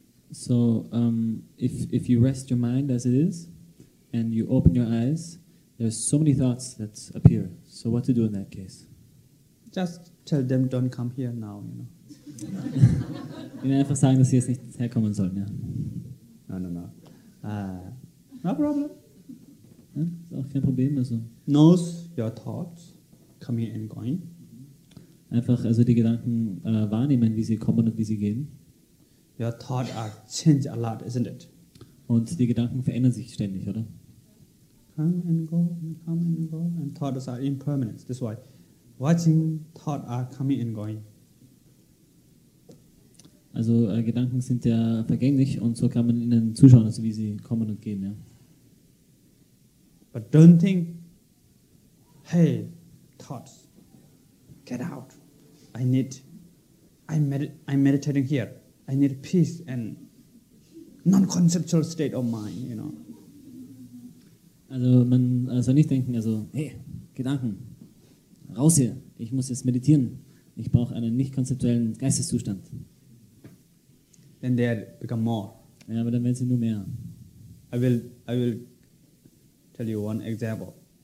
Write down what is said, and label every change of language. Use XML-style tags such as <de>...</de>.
<en>So if you rest your mind as it is and you open your eyes, there's so many thoughts that appear. So what to do in that case? Just tell them don't come here now, you know.</en> <de>Ihnen einfach sagen, dass sie jetzt nicht herkommen sollen, ja.</de> <en>No. No problem.</en> <de>Ja, ist auch kein Problem, also.</de> <en>Knows your thoughts coming and going.</en> <de>Einfach also die Gedanken wahrnehmen, wie sie kommen und wie sie gehen.</de> <en>Your thoughts are changed a lot, isn't it?</en> <de>Und die Gedanken verändern sich ständig, oder?</de> <en>Come and go, and thoughts are impermanent. That's why watching thoughts are coming and going.</en> <de>Also Gedanken sind ja vergänglich und so kann man ihnen zuschauen, also wie sie kommen und gehen, ja.</de> <en>But don't think, hey, thoughts, get out. I'm meditating here. I need peace and non-conceptual state of mind, you know.</en> <de>Also man soll nicht denken, also hey, Gedanken, raus hier, ich muss jetzt meditieren, ich brauche einen nicht-konzeptuellen Geisteszustand.</de> <en>Then they become more.</en> <de>Ja, aber dann werden sie nur mehr.</de> <en>I will tell you one example.</en>